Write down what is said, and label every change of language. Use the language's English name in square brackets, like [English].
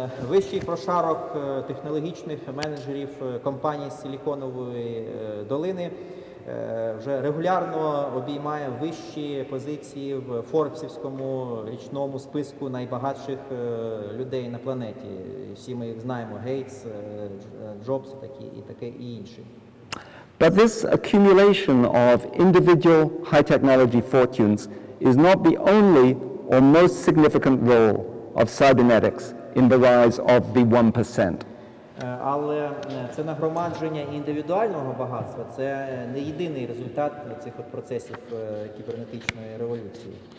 [Ukrainian] Вищий прошарок технологічних менеджерів компаній Силіконової долини вже регулярно обіймає вищі позиції в Форбсівському річному списку найбагатших людей на планеті. Всі ми їх знаємо: Гейтс, Джобс і таке і інші. [English] But this accumulation of individual high technology fortunes is not the only or most significant role of cybernetics in the rise of the 1%. [Ukrainian] Але це нагромадження індивідуального багатства, це не єдиний результат цих процесів кібернетичної революції.